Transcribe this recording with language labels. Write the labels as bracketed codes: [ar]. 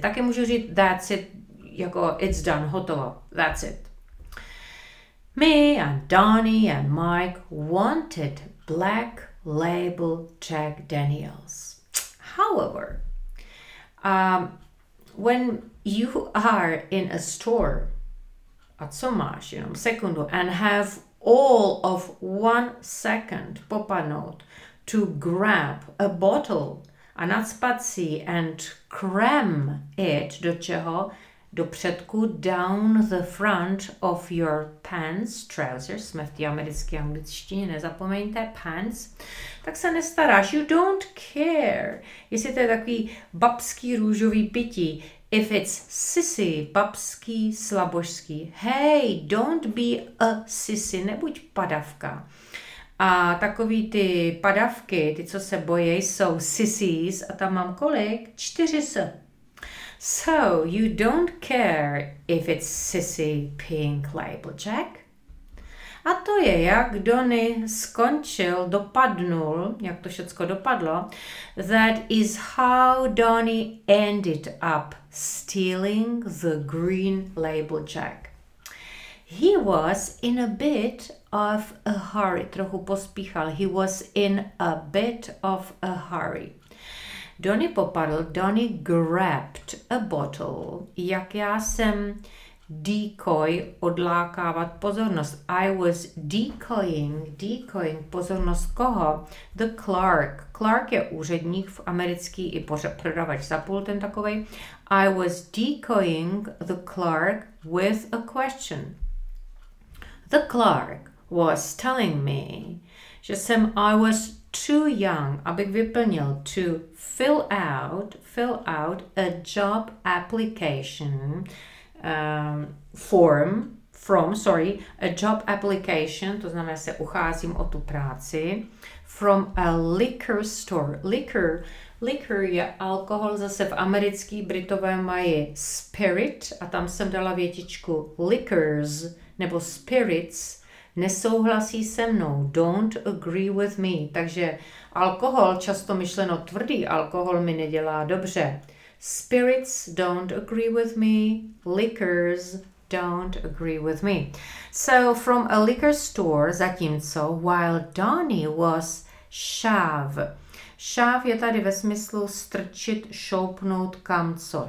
[cs] Taky můžu říct, [en] that's it, [cs] jako [en] it's done, [cs] hotovo. [en] That's it. Me and Donnie and Mike wanted black label Jack Daniels. However, when you are in a store, [cs] a co máš, jenom sekundu, [en] and have all of 1 second [cs] popadnout [en] to grab a bottle [cs] a nacpat si [en] and cram it [cs] do čeho? Do předku, [en] down the front of your pants, trousers, [cs] jsme v té americké angličtině, nezapomeňte, [en] pants, [cs] tak se nestaráš, [en] you don't care, [cs] jestli to je takový babský růžový pití, [en] if it's sissy, [cs] babský, slabožský, [en] hey, don't be a sissy, [cs] nebuď padavka. A takový ty padavky, ty, co se bojí, jsou sissies, a tam mám kolik? 4 s. [en] So, you don't care if it's sissy pink label, Jack? [cs] A to je, jak Donny skončil, dopadnul, jak to všecko dopadlo. [en] That is how Donny ended up stealing the green label, Jack. He was in a bit of a hurry. [cs] Trochu pospíchal. [en] He was in a bit of a hurry. [cs] Donny popadl, [en] Donny grabbed a bottle, [cs] jak já jsem decoy, odlákávat pozornost. [en] I was decoying [cs] pozornost koho? [en] The clerk. [cs] Clerk je úředník v americký i prodavač za pultem takovej. [en] I was decoying the clerk with a question. The clerk was telling me, [cs] že jsem [en] I was too young, [cs] abych vyplnil, [en] to fill out a job application a job application, [cs] to znamená, se ucházím o tu práci, [en] from a liquor store. [cs] Liquor je alkohol, zase v americký, Britové mají spirit a tam jsem dala větičku liquors nebo spirits. Nesouhlasí se mnou, [en] don't agree with me. [cs] Takže alkohol, často myšleno tvrdý alkohol, mi nedělá dobře. [en] Spirits don't agree with me, liquors don't agree with me. So from a liquor store, [cs] zatímco, [en] while Donnie was shove. [cs] Shove je tady ve smyslu strčit, šoupnout kam co.